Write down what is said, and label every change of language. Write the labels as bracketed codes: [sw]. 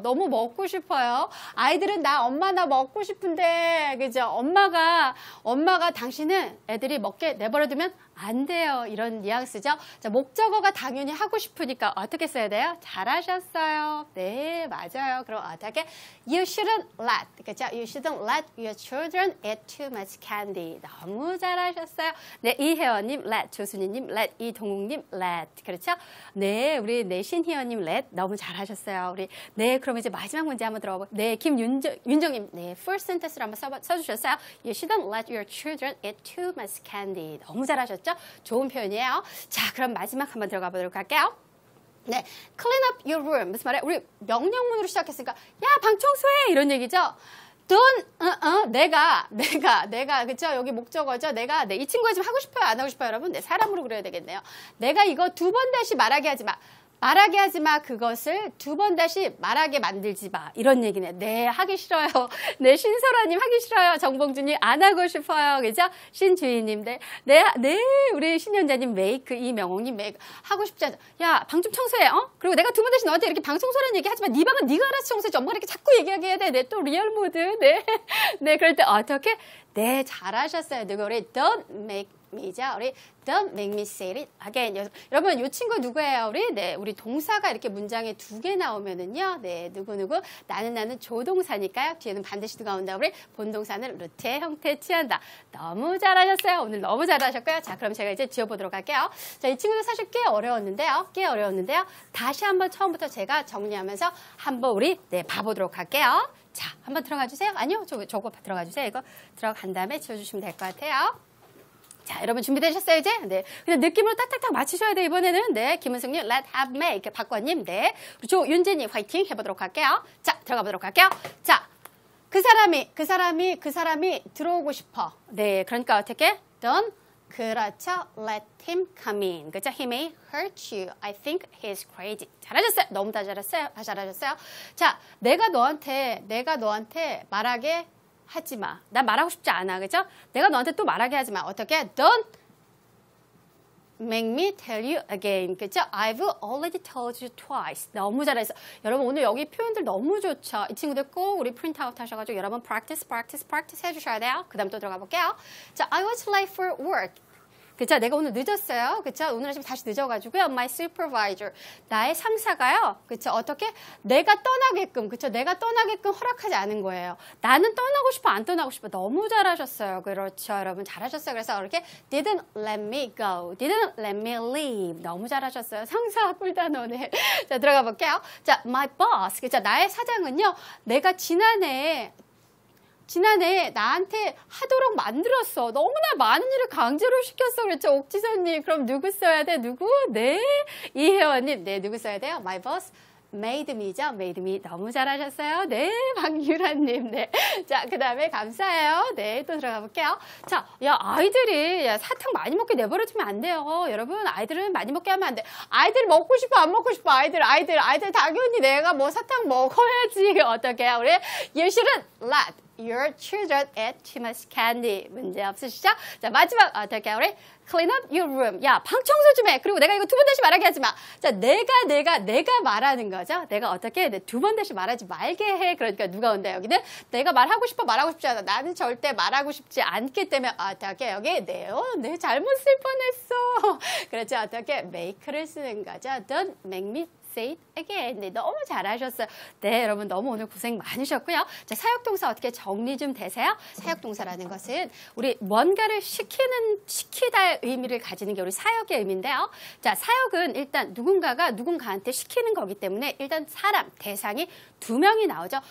[ko] 너무 먹고 싶어요. 아이들은 나 엄마 나 먹고 싶은데. 그죠? 엄마가 당신은 애들이 먹게 내버려두면 안 돼요. 이런 뉘앙스죠. 자, 목적어가 당연히 하고 싶으니까 어떻게 써야 돼요? 잘하셨어요. 네, 맞아요. 그럼 어떻게? [en] You shouldn't let. 그렇죠? You shouldn't let your children eat too much candy. [ko] 너무 잘하셨어요. 네, 이혜원님 let. 조순희님 let. 이동욱님 let. 그렇죠? 네, 우리 네, 신희원님 let. 너무 잘하셨어요. 우리 네, 그럼 이제 마지막 문제 한번 들어볼까요? 네, 김윤정님. 네, full sentence를 한번 써주셨어요. [en] You shouldn't let your children eat too much candy. [ko] 너무 잘하셨 좋은 표현이에요. 자, 그럼 마지막 한번 들어가 보도록 할게요. 네, [en] clean up your room. [ko] 무슨 말이에요? 우리 명령문으로 시작했으니까 야, 방 청소해! 이런 얘기죠. 어떤 내가 그렇죠? 여기 목적어죠. 내가 네, 이 친구가 지금 하고 싶어요, 안 하고 싶어요, 여러분. 네, 사람으로 그래야 되겠네요. 내가 이거 두 번 다시 말하게 하지 마. 말하게 하지 마. 그것을 두 번 다시 말하게 만들지 마. 이런 얘기네. 네, 하기 싫어요. 네, 신설아님 하기 싫어요. 정봉준님 안 하고 싶어요. 그죠? 신주인님, 네. 네, 네, 우리 신현자님 메이크, 이명옥님 메이크. 하고 싶지 않아. 야, 방 좀 청소해. 어? 그리고 내가 두 번 다시 너한테 이렇게 방 청소라는 얘기 하지 마. 네 방은 네가 알아서 청소했지. 엄마가 이렇게 자꾸 얘기하게 해야 돼. 네, 또 리얼 모드. 네. 네, 그럴 때 어떻게? 네, 잘하셨어요. 누구 우리 [en] don't make me [ko] 죠. [en] 우리 don't make me say it again. [ko] 여러분, 이 친구 누구예요? 우리 네, 우리 동사가 이렇게 문장에 두 개 나오면은요. 네, 누구누구 나는 조동사니까요. 뒤에는 반드시 누가 온다. 우리 본동사는 루트의 형태에 취한다. 너무 잘하셨어요. 오늘 너무 잘하셨고요. 자, 그럼 제가 이제 지어보도록 할게요. 자, 이 친구도 사실 꽤 어려웠는데요. 다시 한번 처음부터 제가 정리하면서 한번 우리 네, 봐보도록 할게요. 자, 한번 들어가 주세요. 아니요, 저거 들어가 주세요. 이거 들어간 다음에 지워주시면 될 것 같아요. 자, 여러분 준비되셨어요, 이제? 네. 그냥 느낌으로 딱딱딱 맞추셔야 돼, 이번에는. 네. 김은숙님, let have make. 박권님, 네. 그리고 조윤재님, 화이팅 해보도록 할게요. 자, 들어가 보도록 할게요. 자, 그 사람이 들어오고 싶어. 네. 그러니까 어떻게? Don't. 그렇죠. [en] Let him come in. [ko] 그렇죠? [en] He may hurt you. I think he's crazy. [ko] 잘하셨어요. 너무 다 잘하셨어요. [en] 다 잘하셨어요. [ko] 자, 내가 너한테 말하게 하지 마. 나 말하고 싶지 않아. 그렇죠? 내가 너한테 또 말하게 하지 마. 어떻게? [en] Don't make me tell you again. [ko] 그죠? [en] I've already told you twice. [ko] 너무 잘했어. 여러분, 오늘 여기 표현들 너무 좋죠? 이 친구들 꼭 우리 프린트아웃 하셔가지고 여러분 practice 해주셔야 돼요. 그 다음 또 들어가 볼게요. 자, [en] I was late for work. [ko] 그죠? 내가 오늘 늦었어요. 그죠? 오늘 아침에 다시 늦어가지고요. My supervisor. 나의 상사가요. 그죠? 어떻게? 내가 떠나게끔. 그죠? 내가 떠나게끔 허락하지 않은 거예요. 나는 떠나고 싶어, 안 떠나고 싶어. 너무 잘하셨어요. 그렇죠? 여러분, 잘하셨어요. 그래서 이렇게 [en] didn't let me go. didn't let me leave. [ko] 너무 잘하셨어요. 상사 꿀단어네. 자, 들어가 볼게요. 자, my boss. 그죠? 나의 사장은요. 내가 지난해 나한테 하도록 만들었어. 너무나 많은 일을 강제로 시켰어. 그렇죠? 옥지선님. 그럼 누구 써야 돼? 누구? 네. 이혜원님. 네. 누구 써야 돼요? [en] My boss made me [ko] 죠. Made me. 너무 잘하셨어요. 네. 박유라님. 네. 자, 그 다음에 감사해요. 네. 또 들어가 볼게요. 자, 야, 아이들이 야, 사탕 많이 먹게 내버려두면 안 돼요. 여러분, 아이들은 많이 먹게 하면 안 돼. 아이들 먹고 싶어, 안 먹고 싶어. 아이들. 당연히 내가 뭐 사탕 먹어야지. 어떻게 해요? [en] 우리 you shouldn't let your children eat too much candy. [ko] 문제 없으시죠? 자, 마지막 어떻게 해요? 우리 [en] clean up your room. [ko] 야, 방 청소 좀 해. 그리고 내가 이거 두 번 다시 말하게 하지 마. 자, 내가 말하는 거죠. 내가 어떻게 해? 두 번 다시 말하지 말게 해. 그러니까 누가 온다, 여기는? 내가 말하고 싶어, 말하고 싶지 않아. 나는 절대 말하고 싶지 않기 때문에 어떻게 여기? 네, 내 잘못 쓸 뻔했어. 그렇죠, 어떻게? make를 쓰는 거죠. [en] Don't make me say it again. [ko] 네, 너무 잘하셨어요. 네, 여러분 너무 오늘 고생 많으셨고요. 자, 사역동사 어떻게 정리 좀 되세요? 사역동사라는 것은 우리 뭔가를 시키다의 의미를 가지는 게 우리 사역의 의미인데요. 자, 사역은 일단 누군가가 누군가한테 시키는 거기 때문에 일단 사람, 대상이 두 명이 나오죠.